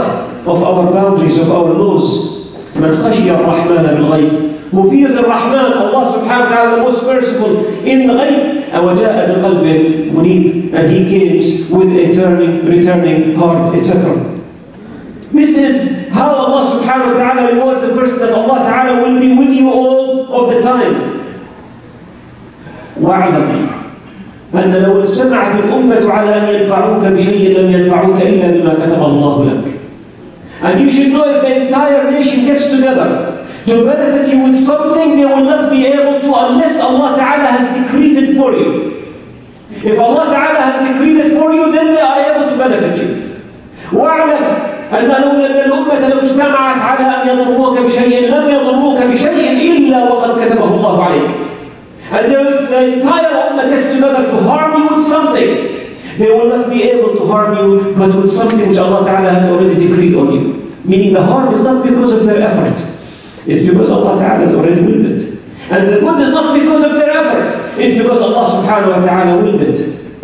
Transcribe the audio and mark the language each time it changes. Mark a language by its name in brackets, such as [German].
[English] Of our boundaries, of our laws. [Arabic] مَنْ خَشِيَ الرَّحْمَنَ بِالْغَيْبِ [English] Who fears the Rahman, Allah subhanahu wa ta'ala, the most merciful in the ghayb, [Arabic] وَجَاءَ بِالْقَلْبِ مُنِيبِ [English] And he came with a turning, returning heart, etc. This is how Allah subhanahu wa ta'ala rewards the person that Allah ta'ala will be with you all of the time. [Arabic] وَعْلَمْ أن لو اجتمعت الأمة على أن ينفعوك بشيء لم ينفعوك إلا بما كتب الله لك. [English] And you should know if the entire nation gets together to benefit you with something, they will not be able to unless Allah Ta'ala has decreed it for you. If Allah Ta'ala has decreed it for you, then they are able to benefit you. [Arabic] واعلم أن لو أن الأمة لو اجتمعت على أن يضروك بشيء لم يضروك بشيء إلا وقد كتبه الله عليك. [English] And if the entire Ummah gets together to harm you with something, they will not be able to harm you but with something which Allah Ta'ala has already decreed on you. Meaning the harm is not because of their effort. It's because Allah Ta'ala has already willed it. And the good is not because of their effort. It's because Allah Subhanahu wa Ta'ala willed it.